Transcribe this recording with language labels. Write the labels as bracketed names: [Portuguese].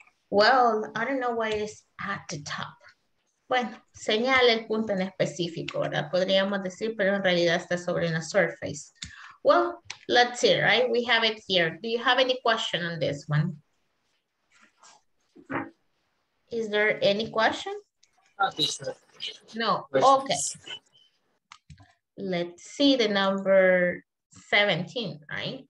[English] Well, I don't know why it's at the top. [Spanish] Bueno, señala el punto en específico, ¿verdad? Podríamos decir, pero en realidad está sobre una surface. [English] Well, let's see, right? We have it here. Do you have any question on this one? Is there any question? No, okay. Let's see the number 17, right?